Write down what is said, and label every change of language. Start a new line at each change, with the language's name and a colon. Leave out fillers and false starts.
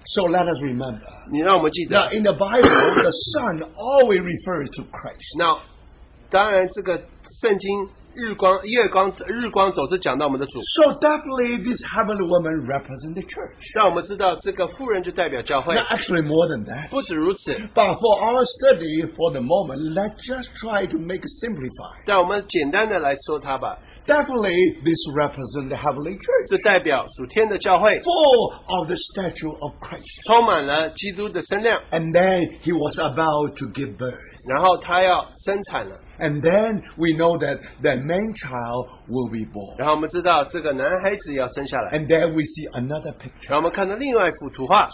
English: So let us remember.
Chinese: 你让我们记得。
English: Now in the Bible, the sun always refers to Christ.
Chinese: Now, 当然这个圣经日光月光日光总是讲到我们的主。
English: So definitely this heavenly woman represents the church.
Chinese: 让我们知道这个妇人就代表教会。
English: Now actually more than that.
Chinese: 不止如此。
English: But for our study for the moment, let's just try to make it simplify.
Chinese: 让我们简单的来说它吧。
English: Definitely this represents the heavenly church.
Chinese: 这代表属天的教会。
English: Full of the stature of Christ.
Chinese: 充满了基督的身量。
English: And then he was about to give birth.
Chinese: 然后他要生产了。
English: And then we know that the man child will be born.
Chinese: 然后我们知道这个男孩子要生下来。
English: And then we see another picture.
Chinese: 然后我们看到另外一幅图画。